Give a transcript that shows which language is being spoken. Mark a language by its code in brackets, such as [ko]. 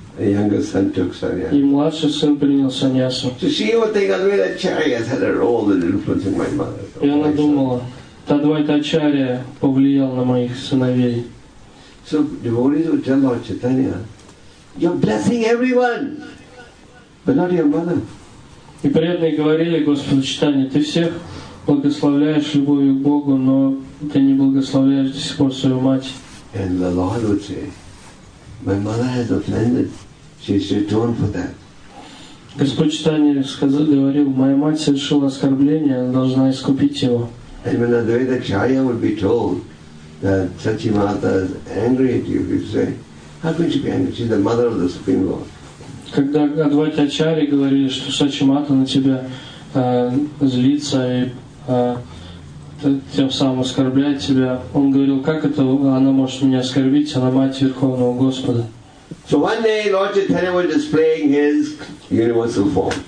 [en] A younger son took sannyasa. [ru] И младший сын принял саньясу. [en] So she would think Advaita Acharya has had a role in influencing my mother. [ru] И она думала, Адвайта Ачарья повлиял на моих сыновей. [en] So devotees would tell Lord Chaitanya, you're blessing everyone, but not your mother. [ru] И преданные говорили Господу Читанию, ты всех благословляешь любовью к Богу, но ты не благословляешь до сих пор свою мать. [en] And the Lord would say, my mother has offended, she should atone for that. [ru] Господь Читанья сказал, говорил, моя мать совершила оскорбление, она должна искупить его. [en] And when Advaita Acharya would be told that Sachi Mata is angry at you, he'd say, how can she be angry? She's the mother of the Supreme Lord. [ru] Когда Адвайта Ачарьи говорили, что Сачи Мата на тебя злится и тем самым оскорбляет тебя, он говорил, как это она может меня оскорбить, она мать Верховного Господа. [en] So one day Lord Chaitanya was displaying his universal form.